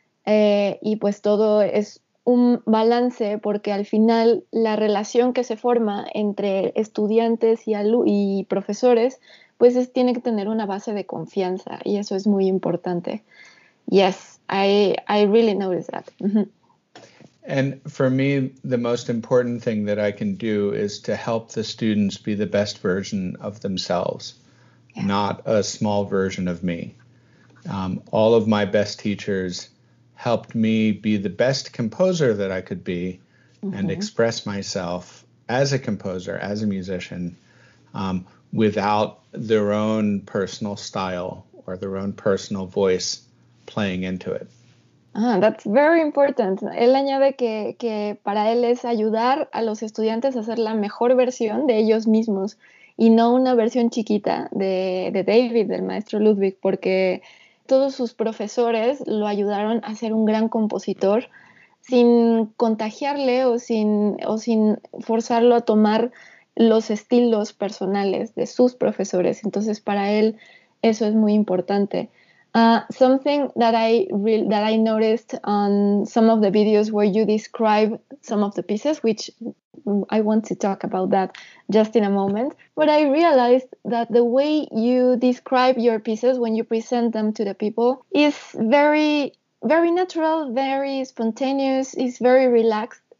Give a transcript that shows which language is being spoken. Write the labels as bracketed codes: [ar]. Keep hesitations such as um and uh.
[es] Eh, y pues todo es un balance porque al final la relación que se forma entre estudiantes y, profesores pues es, tiene que tener una base de confianza y eso es muy importante. [en] Yes, I, I really noticed that. Mm -hmm. And for me, the most important thing that I can do is to help the students be the best version of themselves, yeah. not a small version of me. Um, all of my best teachers helped me be the best composer that I could be uh -huh. and express myself as a composer, as a musician, um, without their own personal style or their own personal voice playing into it. Ah, that's very important. [es] Él añade que, que para él es ayudar a los estudiantes a hacer la mejor versión de ellos mismos y no una versión chiquita de, de David, del maestro Ludwig, porque todos sus profesores lo ayudaron a ser un gran compositor sin contagiarle o sin, o sin, forzarlo a tomar los estilos personales de sus profesores. Entonces, para él eso es muy importante. [en] Uh, something that I, that I noticed on some of the videos where you describe some of the pieces, which I want to talk about that just in a moment. But I realized that the way you describe your pieces when you present them to the people is very, very natural, very spontaneous, is very relaxed.